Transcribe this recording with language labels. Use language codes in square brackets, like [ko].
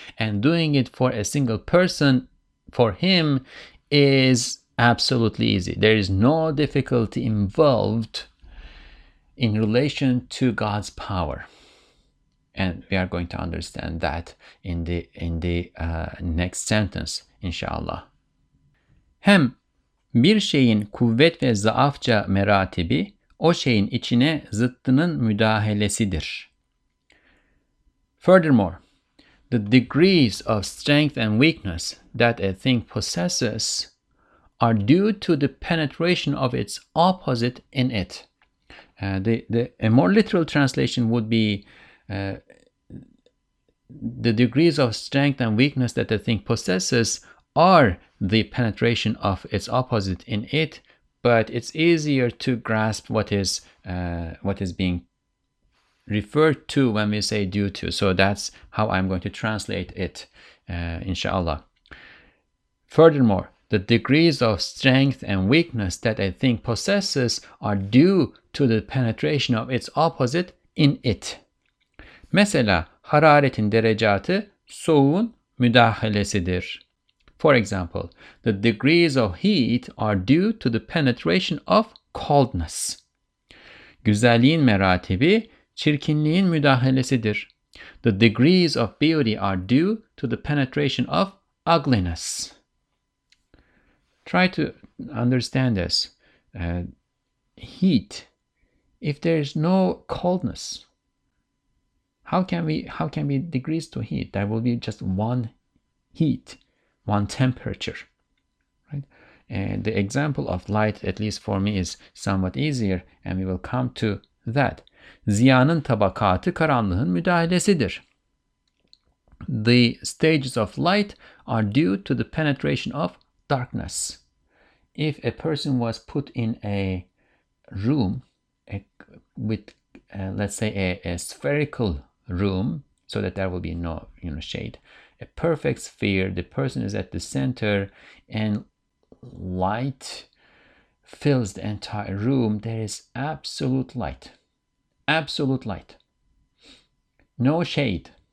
[en] And doing it for a single person for him is absolutely easy. There is no difficulty involved in relation to God's power. And we are going to understand that in the next sentence, inshallah. [tr] Hem bir şeyin kuvvet ve zaafça meratibi, o şeyin içine zıttının müdahalesidir. [en] Furthermore, the degrees of strength and weakness that a thing possesses are due to the penetration of its opposite in it. A more literal translation would be the degrees of strength and weakness that a thing possesses are the penetration of its opposite in it, but it's easier to grasp what is being referred to when we say due to. So that's how I'm going to translate it, inshallah. Furthermore, the degrees of strength and weakness that a thing possesses are due to the penetration of its opposite in it. [tr] Mesela hararetin derecatı soğuğun müdahalesidir. [en] For example, the degrees of heat are due to the penetration of coldness. [tr] Güzelliğin meratibi çirkinliğin müdahalesidir. [en] The degrees of beauty are due to the penetration of ugliness. Try to understand this. Heat. If there is no coldness, how can we degrees to heat? There will be just one heat, one temperature, right? And the example of light, at least for me, is somewhat easier, and we will come to that. [tr] Ziyanın tabakatı karanlığın müdahalesidir. [en] The stages of light are due to the penetration of darkness. If a person was put in a room with, let's say, a spherical room, so that there will be no, you know, shade, a perfect sphere, the person is at the center, and light fills the entire room, there is absolute light. Absolute light. No shade.